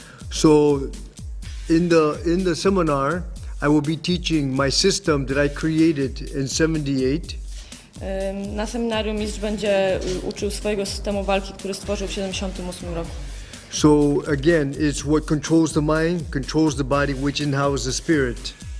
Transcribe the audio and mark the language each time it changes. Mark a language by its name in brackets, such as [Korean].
[English] So in the seminar I will be teaching my system that I created in 78. [Polish] Na seminarium mistrz będzie uczył swojego systemu walki, który stworzył w 78 roku. [English] So again, it's what controls the mind, controls the body, which inhouses the spirit.